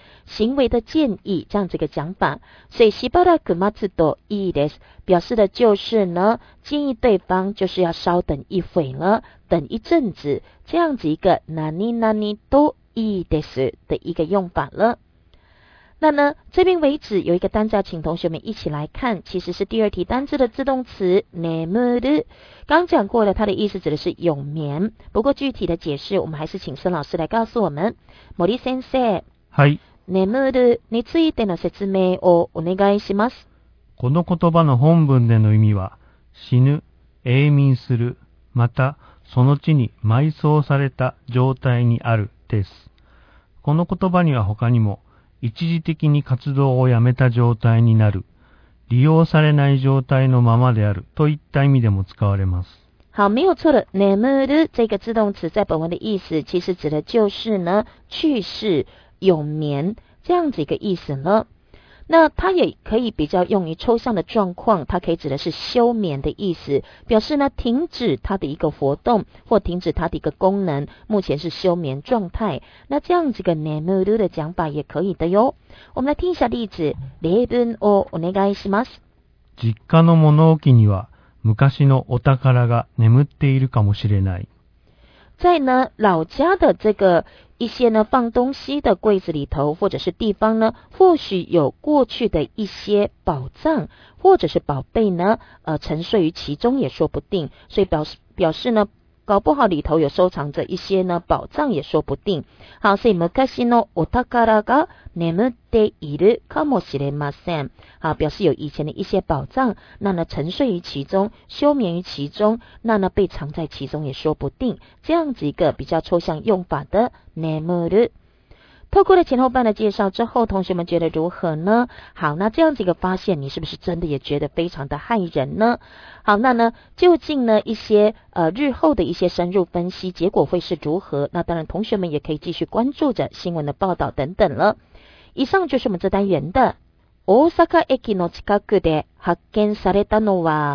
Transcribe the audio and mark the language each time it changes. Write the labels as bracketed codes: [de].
[zh] 行为的建议，这样子一个讲法。所以 [ja] しばらく待つといいです， [zh] 表示的就是呢建议对方就是要稍等一会呢，等一阵子，这样子一个なになにといいです的一个用法了。那呢这边为止有一个单字要请同学们一起来看，其实是第二题单字的自动词眠る。刚讲过了，它的意思指的是永眠，不过具体的解释我们还是请孙老师来告诉我们。 [ja] 森先生，はい、眠るについての説明をお願いします。この言葉の本文での意味は死ぬ、永眠する、またその地に埋葬された状態にあるです。この言葉には他にも一時的に活動をやめた状態になる、利用されない状態のままであるといった意味でも使われます。 [zh] 好，没有错的。眠る这个自动词在本文的意思其实指的就是呢去世、永眠这样子一个意思呢。那它也可以比较用于抽象的状况，它可以指的是休眠的意思，表示呢停止它的一个活动或停止它的一个功能，目前是休眠状态。那这样子一个眠る的讲法也可以的哟。我们来听一下例子。 [ja] 例文をお願いします。実家の物置には昔のお宝が眠っているかもしれない。 [zh] 在呢老家的这个一些呢放东西的柜子里头或者是地方呢，或许有过去的一些宝藏或者是宝贝呢沉睡于其中也说不定。所以表示呢搞不好里头有收藏着一些呢宝藏也说不定。好，所以 [ja] 昔のお宝が眠っているかもしれません。 [zh] 好，表示有以前的一些宝藏，那呢沉睡于其中，休眠于其中，那呢被藏在其中也说不定，这样子一个比较抽象用法的眠る。透过了前后半的介绍之后，同学们觉得如何呢？好，那这样子一个发现，你是不是真的也觉得非常的骇人呢？好，那呢究竟呢一些日后的一些深入分析结果会是如何？那当然同学们也可以继续关注着新闻的报道等等了。以上就是我们这单元的。 [ja] 大阪駅の近くで発見されたのは